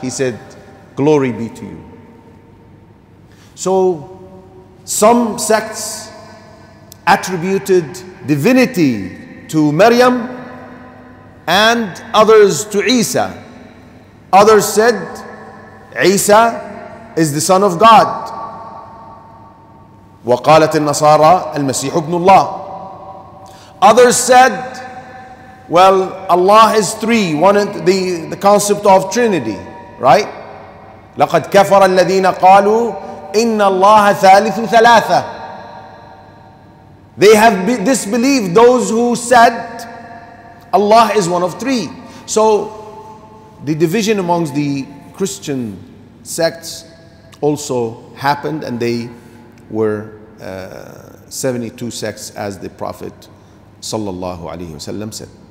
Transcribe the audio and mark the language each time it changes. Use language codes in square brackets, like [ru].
[en] He said, glory be to you. So some sects attributed divinity to Maryam and others to Isa. Others said, Isa is the son of God. [ar] وقالت النصارى المسيح ابن الله. [en] Others said, well, Allah is three, one of the concept of Trinity, right? [ar] لقد كفر الذين قالوا إن الله ثالث ثلاثة. [en] They have disbelieved those who said Allah is one of three. So the division amongst the Christian sects also happened, and they were 72 sects, as the Prophet sallallahu alaihi wasallam said.